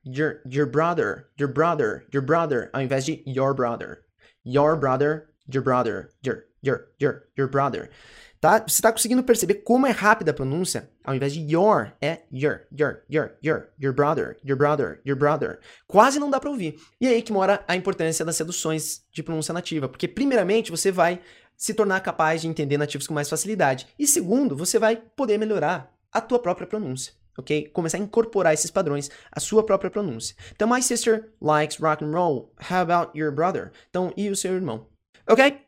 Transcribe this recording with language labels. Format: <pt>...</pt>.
<en>Your brother, your brother, your brother,</en> <pt>ao invés de</pt> <en>your brother. Your brother, your brother, your brother.</en> <pt>Tá? Você tá conseguindo perceber como é rápida a pronúncia? Ao invés de</pt> <en>your, é your, your brother, your brother, your brother.</en> <pt>Quase não dá pra ouvir. E aí que mora a importância das reduções de pronúncia nativa. Porque, primeiramente, você vai se tornar capaz de entender nativos com mais facilidade. E, segundo, você vai poder melhorar a tua própria pronúncia, ok? Começar a incorporar esses padrões à sua própria pronúncia.</pt> <en>Então, my sister likes rock and roll. How about your brother?</en> <pt>Então, e o seu irmão?</pt> <en>Ok?</en>